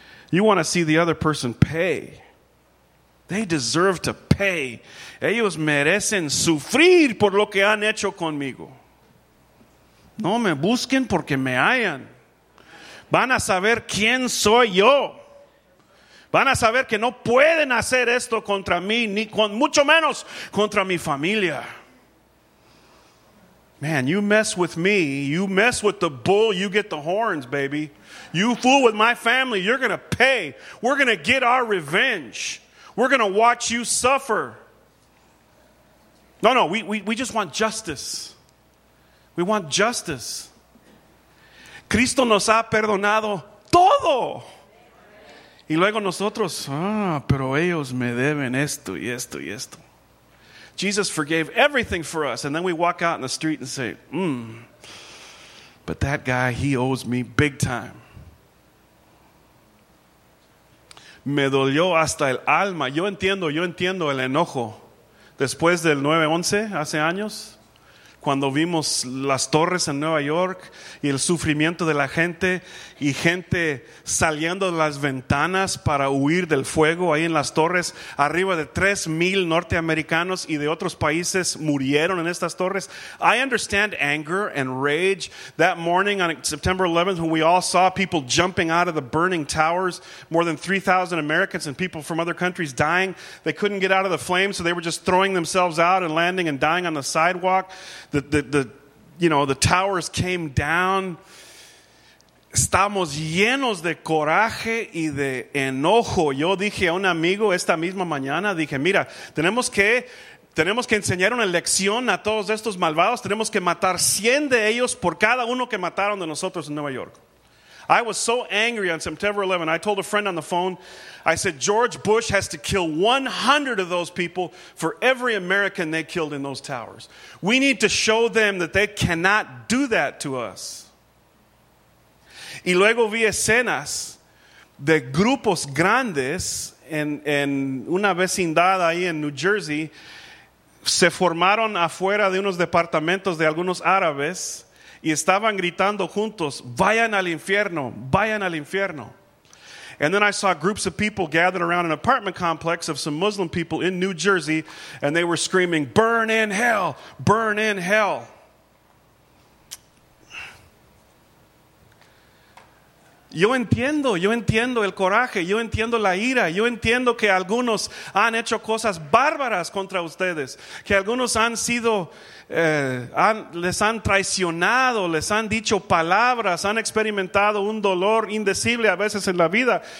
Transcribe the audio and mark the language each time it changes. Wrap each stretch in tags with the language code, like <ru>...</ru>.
<en>You want to see the other person pay. They deserve to pay.</en> <es>Ellos merecen sufrir por lo que han hecho conmigo. No me busquen porque me hayan. Van a saber quién soy yo. Van a saber que no pueden hacer esto contra mí, ni con mucho menos contra mi familia.</es> <en>Man, you mess with me, you mess with the bull, you get the horns, baby. You fool with my family, you're going to pay. We're going to get our revenge. We're going to watch you suffer. No, we just want justice. We want justice.</en> <es>Cristo nos ha perdonado todo. Y luego nosotros, pero ellos me deben esto y esto y esto.</es> <en>Jesus forgave everything for us. And then we walk out in the street and say, but that guy, he owes me big time.</en> <es>Me dolió hasta el alma. Yo entiendo el enojo. Después del 9-11, hace años, cuando vimos las torres en Nueva York y el sufrimiento de la gente y gente saliendo de las ventanas para huir del fuego ahí en las torres, arriba de 3,000 norteamericanos y de otros países murieron en estas torres.</es> <en>I understand anger and rage. That morning on September 11th, when we all saw people jumping out of the burning towers, more than 3,000 Americans and people from other countries dying. They couldn't get out of the flames, so they were just throwing themselves out and landing and dying on the sidewalk. The towers came down.</en> <es>Estamos llenos de coraje y de enojo. Yo dije a un amigo esta misma mañana, dije, mira, tenemos que enseñar una lección a todos estos malvados. Tenemos que matar 100 de ellos por cada uno que mataron de nosotros en Nueva York.</es> <en>I was so angry on September 11. I told a friend on the phone, I said, George Bush has to kill 100 of those people for every American they killed in those towers. We need to show them that they cannot do that to us.</en> <es>Y luego vi escenas de grupos grandes en una vecindad ahí en New Jersey. Se formaron afuera de unos departamentos de algunos árabes. Y estaban gritando juntos, vayan al infierno, vayan al infierno.</es> <en>And then I saw groups of people gathered around an apartment complex of some Muslim people in New Jersey, and they were screaming, burn in hell, burn in hell.</en> <es>Yo entiendo el coraje, yo entiendo la ira, yo entiendo que algunos han hecho cosas bárbaras contra ustedes, que algunos han sido, les han traicionado, les han dicho palabras, han experimentado un dolor indecible a veces en la vida.</es>